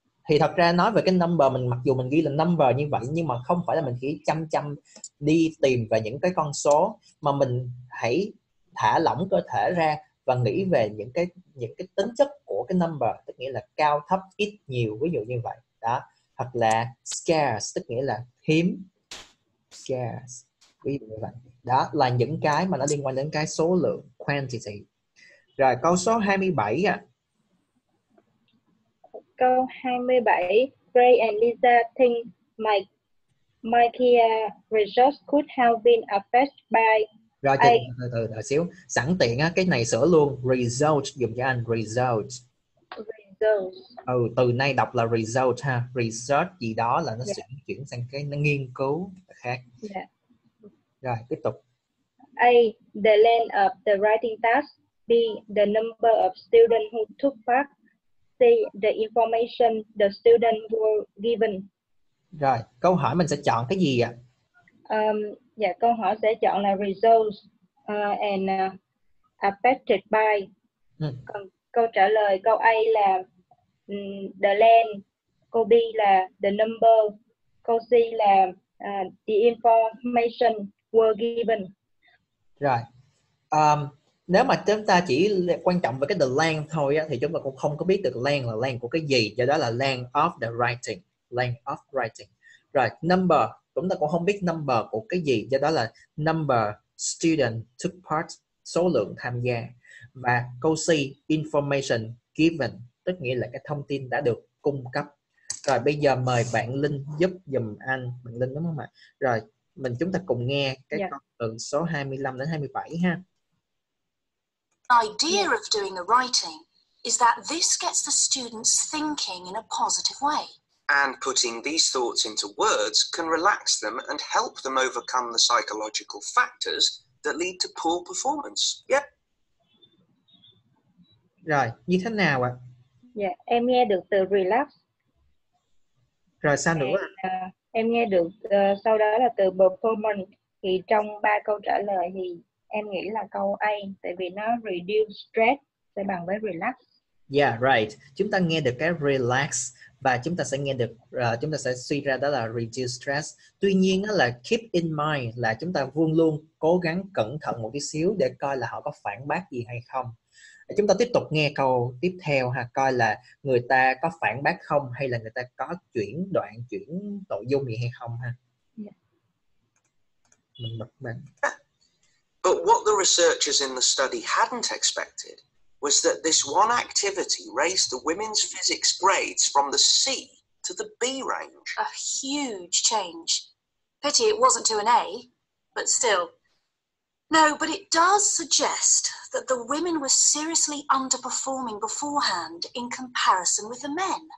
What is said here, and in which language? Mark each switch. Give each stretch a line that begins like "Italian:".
Vietnamese: Thì thật ra nói về cái number, mình mặc dù mình ghi là number như vậy, nhưng mà không phải là mình chỉ chăm chăm đi tìm về những cái con số, mà mình hãy thả lỏng cơ thể ra và nghĩ về những cái tính chất của cái number, tức nghĩa là cao, thấp, ít, nhiều, ví dụ như vậy đó. Hoặc là scarce, tức nghĩa là hiếm, scarce, ví dụ như vậy đó, là những cái mà nó liên quan đến cái số lượng, quantity. Rồi câu số 27 ạ. Câu 27,
English: Ray and Lisa think Mikey's results could have been affected by.
Vietnamese: Rồi, từ xíu. Sẵn tiện á, cái này sửa luôn. Result, dùng cho anh. Result.
English: Result.
Vietnamese: Ừ, từ nay đọc là result ha. Result gì đó là nó sẽ chuyển sang cái nó nghiên cứu khác.
English: Yeah.
Vietnamese: Rồi, tiếp tục.
English: A, the length of the writing task. B, the number of students who took part. C, the information the students were given.
Vietnamese: Rồi, câu hỏi mình sẽ chọn cái gì ạ? Dạ, câu hỏi sẽ chọn là
English: results and affected by.
Vietnamese: Còn câu trả lời, câu A là the length, câu B là the number, câu C là
English: the information were given.
Vietnamese: Rồi, nếu mà chúng ta chỉ quan trọng về cái the length thôi á, thì chúng ta cũng không có biết được length là length của cái gì, do đó là length of the writing, length of writing. Rồi, number, chúng ta cũng không biết number của cái gì, do đó là
English: number student took part,
Vietnamese: số lượng tham gia. Và câu C, information given, tức nghĩa là cái thông tin đã được cung cấp. Rồi bây giờ mời bạn Linh giúp giùm anh. Bạn Linh đúng không ạ? Rồi mình chúng ta cùng nghe cái con từ số 25 đến 27 ha.
English: The idea of doing the writing is that this gets the students thinking in a positive way. And putting these thoughts into words can relax them and help them overcome the psychological factors that lead to poor performance. Yep.
Vietnamese: Rồi, như thế nào ạ? Dạ, em nghe được từ relax. Rồi, sao nữa? Em nghe được sau đó là từ performance. Thì trong ba câu trả lời thì em nghĩ là câu A, tại vì nó
English: reduce stress
Vietnamese: sẽ bằng với relax.
English: Yeah, right.
Vietnamese: Chúng ta nghe được cái relax và chúng ta sẽ nghe được, chúng ta sẽ suy ra đó là
English: reduce stress.
Vietnamese: Tuy nhiên là
English: keep in mind
Vietnamese: là chúng ta luôn luôn cố gắng cẩn thận một tí xíu để coi là họ có phản bác gì hay không. Chúng ta tiếp tục nghe câu tiếp theo ha, coi là người ta có phản bác không hay là người ta có chuyển nội dung gì hay không ha. Mình bật bản.
English: But what the researchers in the study hadn't expected was that this one activity raised the women's physics grades from the C to the B range. A huge change. Pity it wasn't to an A, but still. No, but it does suggest that the women were seriously underperforming beforehand in comparison with the men.